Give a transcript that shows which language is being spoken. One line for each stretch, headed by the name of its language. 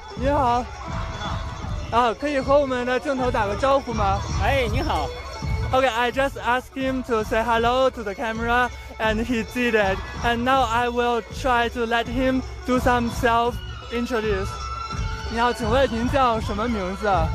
Chinese: 你好。可以和我们的镜头打个招呼吗? 哎,你好。
English: Okay, I just asked him to say hello to the camera and he did it. And now I will try to let him do some self-introduce.
Chinese: 你好,请问您叫什么名字?